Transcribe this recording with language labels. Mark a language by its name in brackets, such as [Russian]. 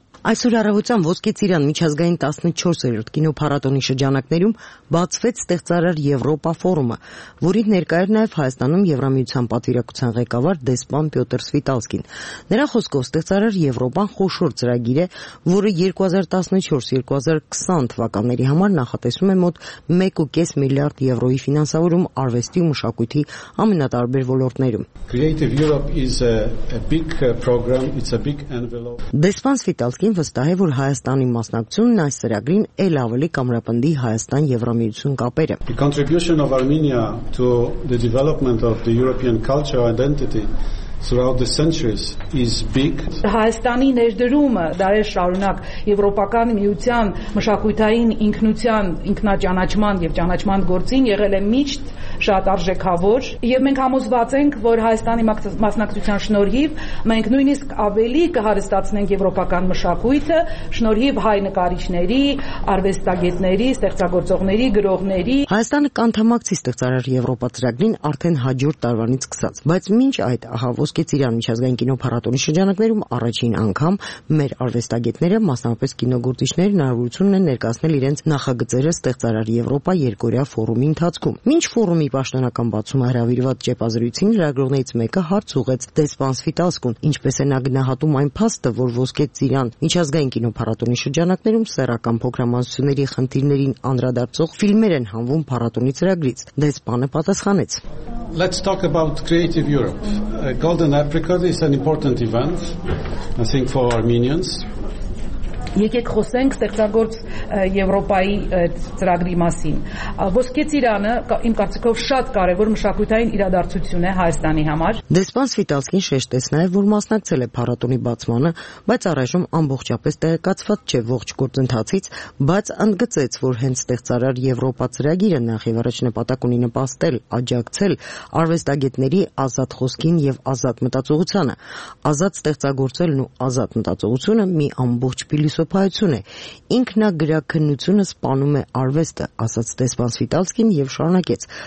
[Armenian] Այսօր առավոտյան Ոսկե Ծիրան միջազգային 14-րդ կինոփառատոնի շրջանակներում բացվեց ստեղծարար Եվրոպա ֆորումը, որին ներկայեր նաև Հայաստանում Եվրամիության պատվիրակության ղեկավար դեսպան Պյոտր Սվիտալսկին։ Նրա խոսքով ստեղծարար Եվրոպան խոշոր ծրագիր է, որը 2014-2020 թվականների համար նախատեսում է մոտ 1.5 միլիարդ եվրոյի ֆինանսավորում արվեստի ու մշակույթի ամենատարբեր ոլորտներում։ [English] Creative Europe is a big program, it's a big envelope. [Armenian] Դեսպան Սվիտալսկին վստահ է, որ Հայաստանի մասնակցությունն այս ծրագրին էլ ավելի կամրապնդի Հայաստան-Եվրամիություն կապերը։ [English] The contribution of Armenia to the development of the European culture identity throughout the centuries is big. [Armenian] Հայաստանի ներդրումը դարեր շարունակ եվրոպական միության մշակութային ինքնության, ինքնաճանաչման եւ ճանաչման գործին եղել է միշտ շատ արժեքավոր, եւ մենք համոզված ենք, որ Հայաստանի մասնակցության շնորհիվ մենք նույնիսկ ավելի կհարստացնենք եվրոպական մշակույթը, շնորհիվ հայ նկարիչների, արվեստագետների, ստեղծագործողների, գրողների։ Հայաստանը կանթամակցի ստեղծարար Եվրոպա ծրագրին արդեն հաջորդ տարվանից սկսած, բայց մինչ այդ, ահա, Ոսկե Ծիրան միջազգային կինոփառատոնի շրջանակներում առաջին անգամ մեր արվեստագետները, մասնավորապես կինոգործիչները, հնարավորություն ունեն ներկасնել իրենց նախագծերը ստեղծարար Եվրոպա երկօրյա ֆորումի ընթացքում։ Մինչ ֆորումի պաշտոնական բացումը հրավիրված ճեպազրույցին լրագրողներից մեկը հարց ուղեց դեսպան Սվիտալսկուն, ինչպես է նա գնահատում այն փաստը, որ Ոսկե Ծիրան միջազգային կինոփառատոնի շրջանակներում սեռական փոքրամասնությունների խնդիրներին անդրադարձող ֆիլմեր են հանվում փառատոնի ծրագրից։ Դեսպանը պատասխանեց. [English] Let's talk about Creative Europe. Golden Apricot is an important event, I think, for Armenians. [Armenian] եկեք խոսենք ստեղծագործ Եվրոպայի ծրագրի մասին։ Ոսկե ծիրանը իմ կարծիքով շատ կարևոր մշակութային իրադարձություն է Հայաստանի համար։ Դեսպան Սվիտալսկին շեշտեց նաև, որ մասնակցել է փառատոնի բացմանը, բայց առայժմ ամբողջապես տեղեկացված չէ ողջ գործընթացից, բայց ընդգծեց, որ հենց ստեղծարար Եվրոպա ծրագիրը նախ եւ առաջ նպատակ ունի նպաստել, աջակցել արվեստագետների ազատ խոսքին եւ ազատ մտածողությանը։ Ազատ ստեղծագործելն ու ազատ մտածողությունը մի ամբողջ փիլիսոփայություն է։ Ինքնագրաքննությունը սպանում է արվեստը, ասաց Դեսպան Սվիտալսկին եւ շարունակեց.